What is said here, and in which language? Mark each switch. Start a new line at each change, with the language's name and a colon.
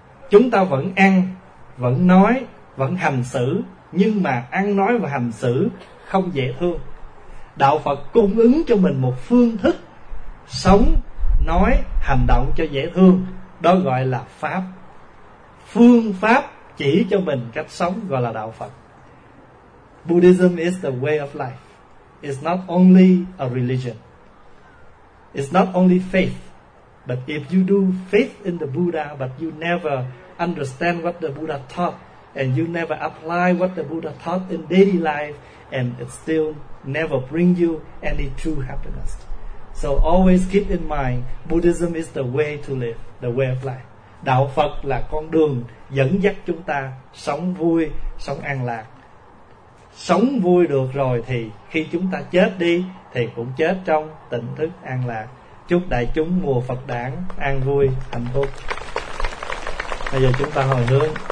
Vietnamese: Chúng ta vẫn ăn, vẫn nói, vẫn hành xử, nhưng mà ăn nói và hành xử không dễ thương. Đạo Phật cung ứng cho mình một phương thức sống, nói, hành động cho dễ thương, đó gọi là pháp. Phương pháp chỉ cho mình cách sống gọi là đạo Phật.
English: Buddhism is the way of life. It's not only a religion. It's not only faith. But if you do faith in the Buddha, but you never understand what the Buddha taught, and you never apply what the Buddha taught in daily life, and it still never bring you any true happiness. So always keep in mind, Buddhism is the way to live, the way of life.
Vietnamese: Đạo Phật là con đường dẫn dắt chúng ta sống vui, sống an lạc. Sống vui được rồi thì khi chúng ta chết đi thì cũng chết trong tỉnh thức an lạc. Chúc đại chúng mùa Phật đản an vui, hạnh phúc. Bây giờ chúng ta hồi hướng.